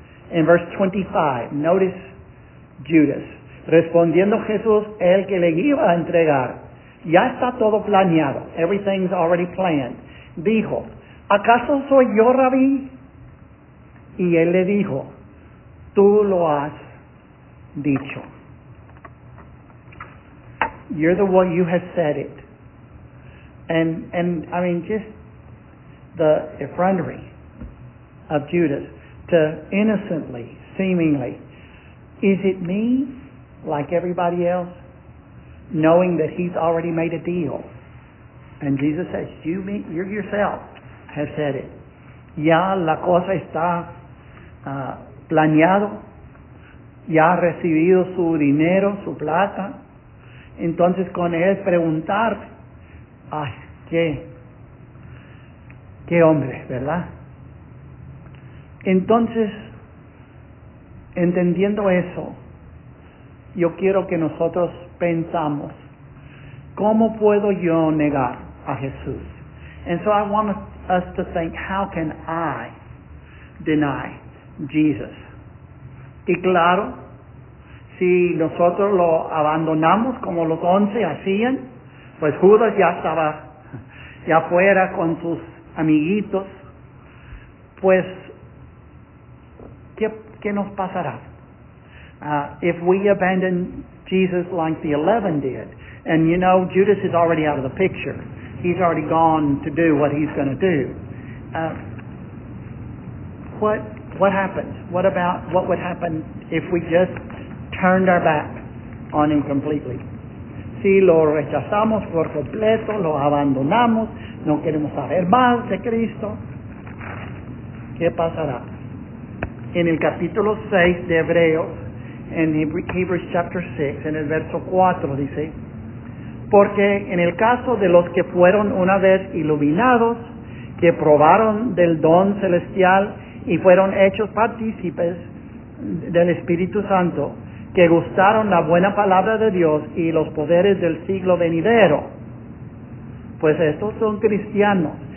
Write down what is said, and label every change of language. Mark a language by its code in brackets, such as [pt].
[es] En verse 25, [en] notice Judas. [es] Respondiendo Jesús, el que le iba a entregar, ya está todo planeado, [en] everything's already planned, [es] dijo, ¿acaso soy yo, Rabí? Y él le dijo, tú lo has dicho. [en] You're the one, you have said it. And I mean, just the effrontery of Judas to innocently, seemingly, is it me, like everybody else, knowing that he's already made a deal? And Jesus says, you yourself have said it. [es] Ya la cosa está planeado. Ya ha recibido su dinero, su plata. Entonces con él preguntar, ay, qué hombre, ¿verdad? Entonces, entendiendo eso, yo quiero que nosotros pensamos, ¿cómo puedo yo negar a Jesús? [en] And so I want us to think, how can I deny Jesus? [es] Y claro, si nosotros lo abandonamos como los once hacían, pues Judas ya estaba ya fuera con sus amiguitos, pues, ¿qué nos pasará? [en] If we abandon Jesus like the 11 did, and you know, Judas is already out of the picture. He's already gone to do what he's going to do. What happens? What would happen if we just turned our back on him completely? [es] Si lo rechazamos por completo, lo abandonamos, no queremos saber más de Cristo, ¿qué pasará? En el capítulo 6 de Hebreos, en [en] Hebrews chapter 6, [es] en el verso 4 dice, porque en el caso de los que fueron una vez iluminados, que probaron del don celestial y fueron hechos partícipes del Espíritu Santo, que gustaron la buena palabra de Dios y los poderes del siglo venidero, pues estos son cristianos.